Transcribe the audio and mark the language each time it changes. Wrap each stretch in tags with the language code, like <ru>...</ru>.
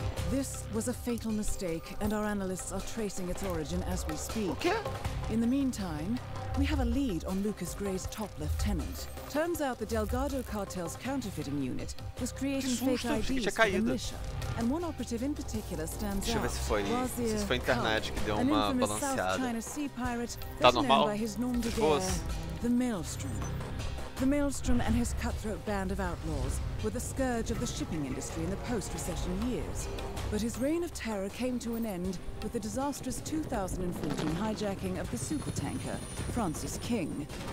<en>This was a fatal mistake, and our analysts are tracing its origin as we speak. Okay. In the meantime, we have a lead on Lucas Gray's top lieutenant. Turns out the Delgado cartel's counterfeiting unit was creating fake IDs for the militia. And one operative in particular stands</en> <pt>Deixa eu ver se foi, se foi a internet que deu uma balanceada.</pt> <en>South China Sea pirate,</en> <pt>tá normal?</pt> <en>By his nom de guerre, the Maelstrom. The Maelstrom and his cutthroat band of outlaws were the scourge of the shipping industry in the post-recession years. But his reign of terror came to an end with the disastrous 2014 hijacking of the supertanker, Francis King.</en>